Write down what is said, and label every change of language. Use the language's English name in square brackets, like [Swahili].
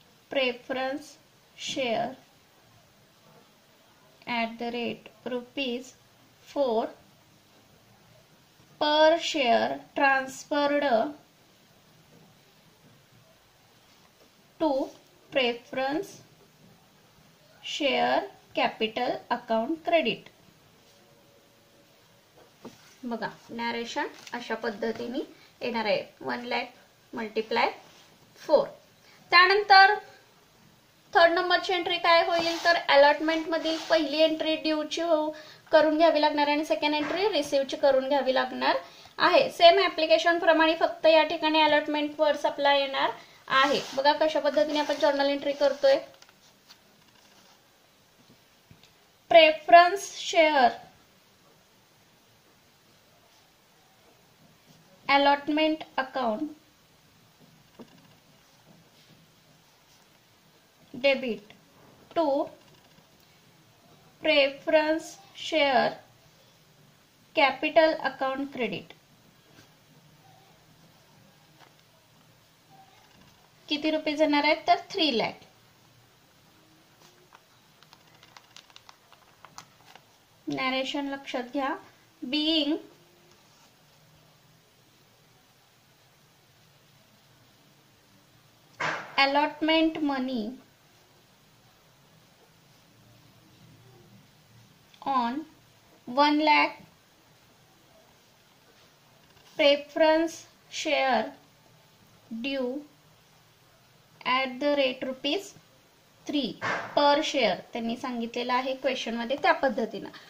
[English] Preference share at the rate rupees 4 per share transferred to preference share capital account credit. [Marathi] बघा narration अशा पद्धतीने येणार आहे 1 lakh multiply 4. त्यानंतर थर्ड नंबरची एंट्री काय होईल तर अलॉटमेंट मधील पहिली एंट्री ड्यूची करून घ्यावी लागणार आहे आणि सेकंड एंट्री रिसीव्हची करून घ्यावी लागणार आहे. सेम ऍप्लिकेशन प्रमाणे फक्त या ठिकाणी अलॉटमेंट वर सप्लाय येणार आहे. बघा कशा पद्धतीने आपण जर्नल एंट्री करतोय. [English] Preference share allotment account debit to preference share capital account credit. [Marathi] किती रुपये येणार आहेत तर 3 लाख. नॅरेशन लक्षात घ्या. [English] being allotment money on 1 lakh preference share due at the rate rupees 3 per share [Marathi] त्यांनी सांगितलेलं आहे क्वेश्चन मध्ये त्या पद्धतीनं.